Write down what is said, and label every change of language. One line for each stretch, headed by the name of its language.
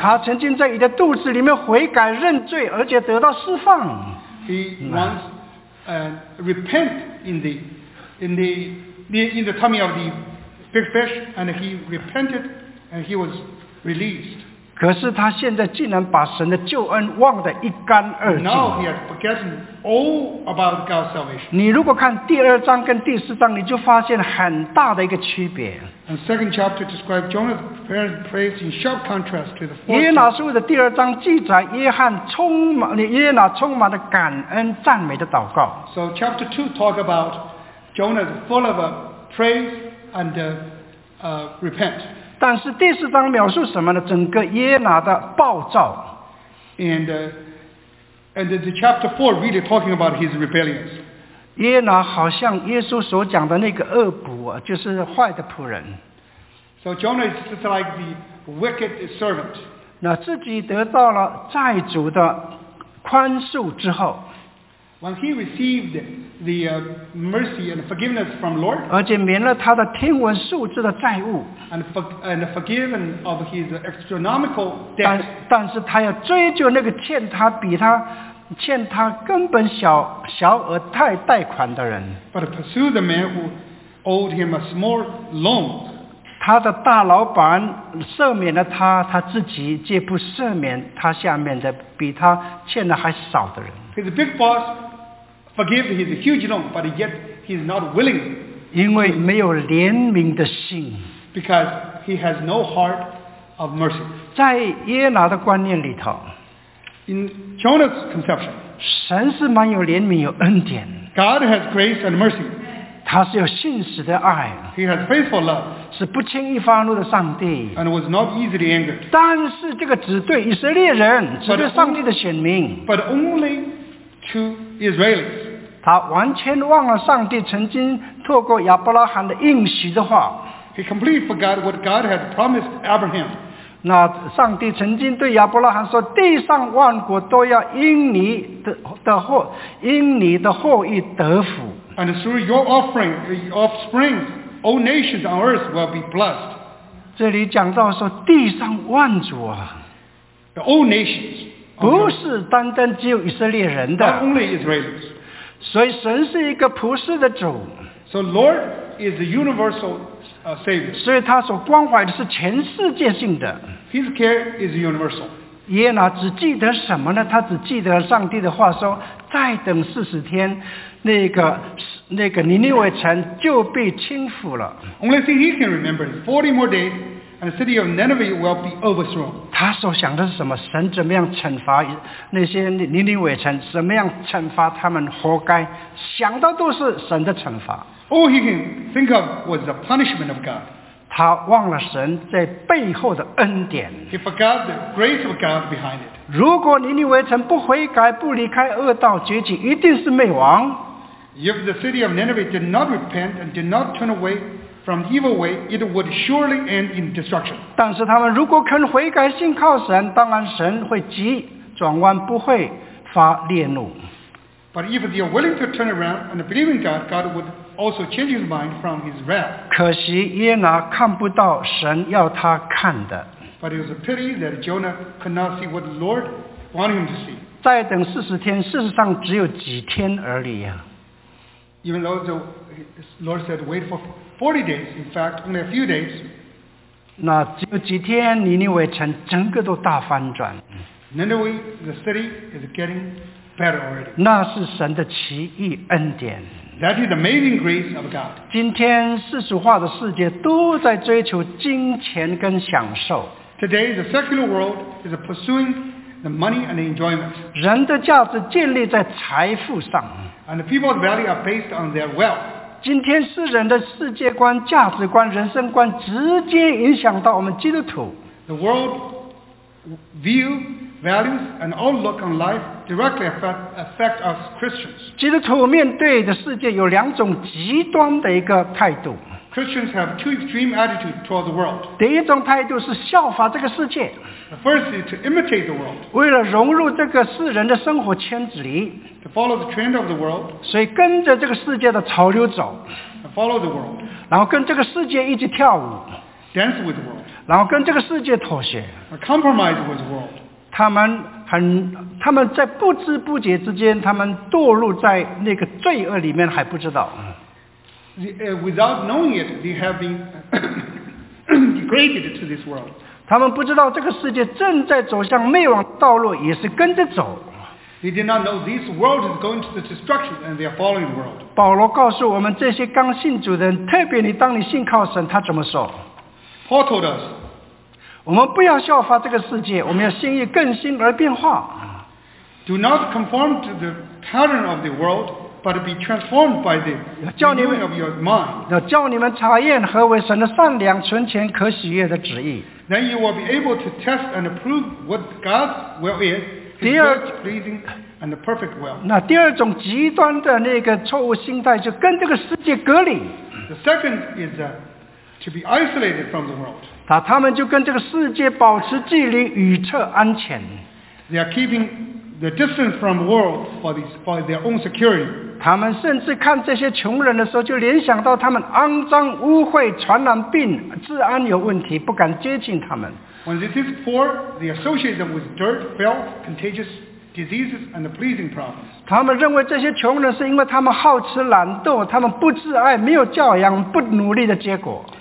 Chinese: 他曾经在你的肚子里面悔改认罪，而且得到释放。
English: He once repented in the tummy of the big fish, and he repented. And he was released.
Chinese: 可是他现在竟然把神的救恩忘得一干二净。
English: Now he has forgotten all about God's salvation.
Chinese: 你如果看第二章跟第四章，你就发现很大的一个区别。
English: And second chapter describes Jonah's praise in sharp contrast to the fourth.
Chinese: 耶拿书的第二章记载耶拿充满的感恩赞美的祷告。
English: So chapter 2 talk about Jonah full of praise and repent.
Chinese: 但是第四章描述什么呢？整个耶拿的暴躁。
English: And the chapter 4 really talking about his rebellions.
Chinese: 耶拿好像耶稣所讲的那个恶仆，就是坏的仆人。
English: So Jonah is just like the wicked servant.
Chinese: 那自己得到了债主的宽恕之后。
English: When he received the mercy and forgiveness from Lord,
Chinese: 而且免了他的天文数字的债务
English: and forgiven of his astronomical debt,
Chinese: 但是他要追究那个欠他根本小额贷款的人
English: but pursue the man who owed him a small loan.
Chinese: 他的大老板赦免了他，他自己却不赦免他下面的比他欠的还少的人
English: His big boss. Forgive his huge loan, but yet he's not willing.
Chinese: 因为没有怜悯的心。
English: Because he has no heart of mercy.
Chinese: 在耶拿的观念里头。
English: In Jonah's conception.
Chinese: 神是蛮有怜悯，有恩典。
English: God has grace and mercy.
Chinese: 他是有信实的爱。
English: He has faithful love.
Chinese: 是不轻易发怒的上帝。
English: And was not easily angered.
Chinese: 但是这个只对以色列人，只对上帝的选民。
English: But only to Israelis.
Chinese: 他完全忘了上帝曾经透过亚伯拉罕的应许的话。
English: He completely forgot what God had promised Abraham.
Chinese: 那上帝曾经对亚伯拉罕说，地上万国都要因你的后裔得福。
English: And through your offspring, all nations on earth will be blessed.
Chinese: 这里讲到说地上万族啊
English: ，the all nations，
Chinese: 不是单单只有以色列人的
English: ，not only Israelis，
Chinese: 所以神是一个普世的主
English: ，so Lord is a universal savior，
Chinese: 所以他所关怀的是全世界性的
English: ，his care is universal。
Chinese: 耶拿只记得什么呢？他只记得上帝的话说，再等四十天，那个尼尼微城就被倾覆了。
English: Only thing he can remember is 40 more days, and the city of Nineveh will be overthrown.
Chinese: 他所想的是什么？神怎么样惩罚那些尼尼微城？怎么样惩罚他们？活该！想的都是神的惩罚。
English: All he can think of was the punishment of God.
Chinese: 他忘了神在背后的恩典。
English: He forgot the grace of God behind it.
Chinese: 如果尼尼微城不悔改，不离开恶道绝境，一定是灭亡。
English: If the city of Nineveh did not repent and did not turn away from the evil way, it would surely end in destruction.
Chinese: 但是他们如果肯悔改信靠神，当然神会急转弯，不会发烈怒。
English: But if they are willing to turn around and believe in God, God would also change his mind from his wrath.
Chinese: 可惜耶拿看不到神要他看的。
English: But it was a pity that Jonah could not see what the Lord wanted him to see.
Chinese: 再等四十天，事实上只有几天而已啊。
English: Even though the Lord said wait for 40 days, in fact, only a few days.
Chinese: 那只有几天，尼尼微城整个都大翻转。
English: Nineveh, the city is getting better already.
Chinese: 那是神的奇异恩典。
English: That is the amazing grace of God.
Chinese: 今天世俗化的世界都在追求金钱跟享受。
English: Today, the secular world is pursuing the money and the enjoyment.
Chinese: 人的价值建立在财富上。
English: And the people's value are based on their wealth.
Chinese: 今天世人的世界观、价值观、人生观直接影响到我们基督徒。
English: The world view, values, and outlook on life directly affect us Christians.
Chinese: 基督徒面对的世界有两种极端的一个态度。
English: Christians have two extreme attitudes toward the world.
Chinese: 第一种态度是效法这个世界。
English: The first is to imitate the world.
Chinese: 为了融入这个世人的生活圈子里。
English: To follow the trend of the world.
Chinese: 所以跟着这个世界的潮流走。
English: And follow the world.
Chinese: 然后跟这个世界一起跳舞。
English: Dance with the world.
Chinese: 然后跟这个世界妥协。
English: And compromise with the world.
Chinese: 他们在不知不觉之间，他们堕入在那个罪恶里面还不知道。
English: Without knowing it, they have been degraded to this world.
Chinese: 他们不知道这个世界正在走向灭亡道路，也是跟着走。
English: They did not know this world is going to the destruction, and they are following the world.
Chinese: 保罗告诉我们这些刚信主的人，特别你当你信靠神，他怎么说
English: ？Paul told us,
Chinese: 我们不要效法这个世界，我们要心意更新而变化。
English: Do not conform to the pattern of the world. But be transformed by the renewing of your mind.
Chinese: 要叫你们查验何为神的善良、存钱、可喜悦的旨意。
English: Then you will be able to test and approve what God's will is, His good, pleasing, and the perfect will.
Chinese: 那第二种极端的那个错误心态，就跟这个世界隔离。
English: The second is to be isolated from the world.
Chinese: 他们就跟这个世界保持距离，与测安全。
English: They are keeping the distance from the world for their own security.
Chinese: 他们甚至看这些穷人的时候，就联想到他们肮脏、污秽、传染病、治安有问题，不敢接近他们。
English: When they see poor, they associate them with dirt, filth, contagious diseases, and pleasing problems.
Chinese: 他们认为这些穷人是因为他们好吃懒惰，他们不自爱，没有教养，不努力的结果。